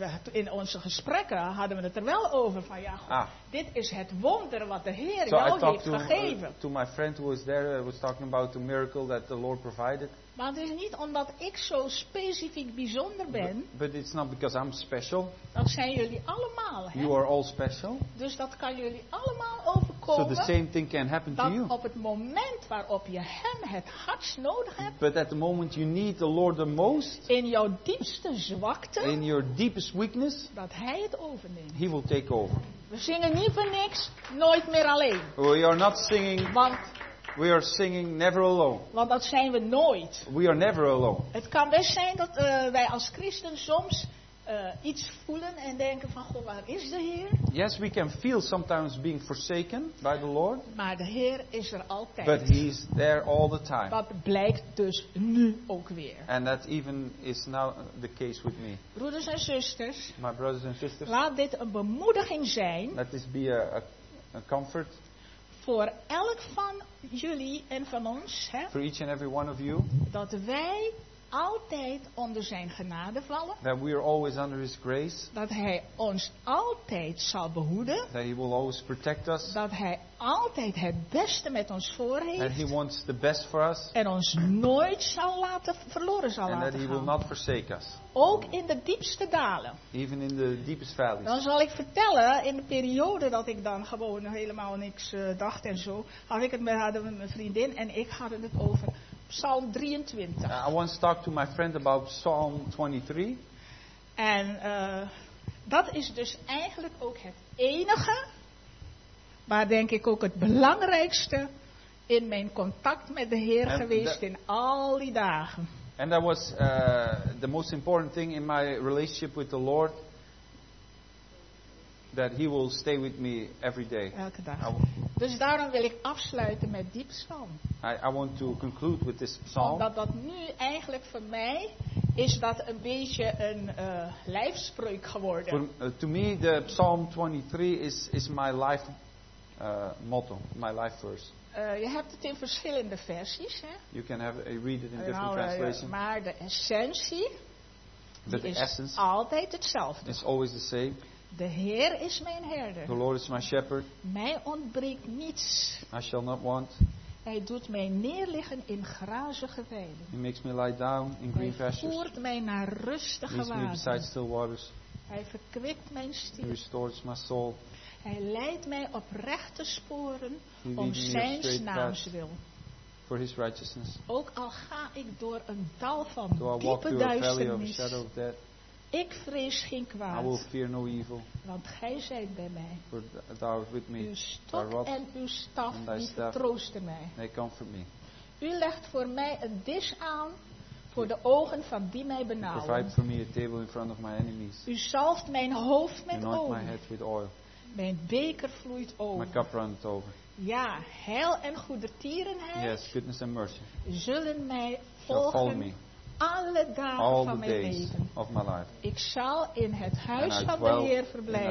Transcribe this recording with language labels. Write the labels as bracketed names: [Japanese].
[Dutch] In onze gesprekken hadden we het er wel over van, ja, goh, dit is het wonder wat de Heer [English] so [Dutch] jou heeft gegeven. [English] To my friend who was there, was talking about the miracle that the Lord provided. [Dutch] Maar het is niet omdat ik zo specifiek bijzonder ben. [English] But it's not because I'm special. [Dutch] Dat zijn jullie allemaal, hè. [English] You are all special. [Dutch] Dus dat kan jullie allemaal overkomen. [English] So the same thing can happen to you. [Dutch] Dat op het moment waarop je hem het hardst nodig hebt. [English] But at the moment you need the Lord the most. [Dutch] In jouw diepste zwakte. [English] In your deepest weakness. [Dutch] Dat hij het overneemt. [English] He will take over. [Dutch] We zingen niet voor niks, nooit meer alleen. [English] We are not singing. [Dutch] Want [English] we are singing never alone. [Dutch] Want dat zijn we nooit. [English] We are never alone. [Dutch] Het kan best zijn dat wij als christen soms iets voelen en denken van, goh, waar is de Heer? [English] Yes, we can feel sometimes being forsaken by the Lord. [Dutch] Maar de Heer is er altijd. [English] But he is there all the time. [Dutch] Dat blijkt dus nu ook weer. [English] And that even is now the case with me. [Dutch] Broeders en zusters. [English] My brothers and sisters. [Dutch] Laat dit een bemoediging zijn. [English] Let this be a comfort. [Dutch] Voor elk van jullie en van ons. Hè, [English] for each and every one of you. [Dutch] Dat wij altijd onder zijn genade vallen. [English] That we are always under his grace. [Dutch] Dat hij ons altijd zal behoeden. [English] That he will always protect us. [Dutch] Dat hij altijd het beste met ons voor heeft. [English] That he wants the best for us. [Dutch] En ons nooit zal laten verloren zal [English] and [Dutch] laten [English] that he [Dutch] gaan. [English] Will not forsake us. [Dutch] Ook in de diepste dalen. [English] Even in the deepest valleys. [Dutch] Dan zal ik vertellen, in de periode dat ik dan gewoon helemaal niks dacht en zo, had ik het met mijn vriendin en ik hadden het over Psalm 23. [English] I once talked to my friend about Psalm 23. [Dutch] En dat is dus eigenlijk ook het enige, maar denk ik ook het belangrijkste in mijn contact met de Heer [English] and [Dutch] geweest in al die dagen. [English] And that was the most important thing in my relationship with the Lord, that he will stay with me every day. [Dutch] Elke dag. Dus daarom wil ik afsluiten met die psalm. [English] I want to conclude with this psalm. [Dutch] Omdat dat nu eigenlijk voor mij is dat een beetje een lijfspreuk geworden. [English] To me, the Psalm 23 is my life motto, my life verse. [Dutch] Je hebt het in verschillende versies, hè? [English] You can have read it in different translations. [Dutch] Maar de essentie is altijd hetzelfde. [English] It's always the same. [Dutch] De Heer is mijn herder. [English] The Lord is my shepherd. [Dutch] Mij ontbreekt niets. [English] I shall not want. [Dutch] Hij doet mij neerliggen in grazige weiden. [English] He makes me lie down in green pastures. [Dutch] Hij voert mij naar rustige waters. [English] Leads me beside still waters. [Dutch] Hij verkwikt mijn ziel. [English] He restores my soul. [Dutch] Hij leidt mij op rechte sporen om zijn naams wil. [English] For his righteousness. [Dutch] Ook al ga ik door een dal van diepe duisternis. Ik vrees geen kwaad. [English] I will fear no evil. [Dutch] Want gij zijt bij mij. [English] For thou art with me. [Dutch] Uw stok en uw staf troosten mij. [English] They comfort me. [Dutch] U legt voor mij een disch aan voor de ogen van die mij benauwen. [English] Provide for me a table in front of my enemies. [Dutch] U zalft mijn hoofd met olie. [English] Anoint my head with oil. [Dutch] Mijn beker vloeit over. [English] My cup runneth over. [Dutch] Ja, heil en goedertierenheid. [English] Yes, goodness and mercy. [Dutch] Zullen mij volgen. [English] Follow me. [Dutch] Alle dagen [English] all [Dutch] van [English] the [Dutch] mijn [English] days [Dutch] leven. [English] Of my life. [Dutch] Ik zal in het huis van de Heer verblijven.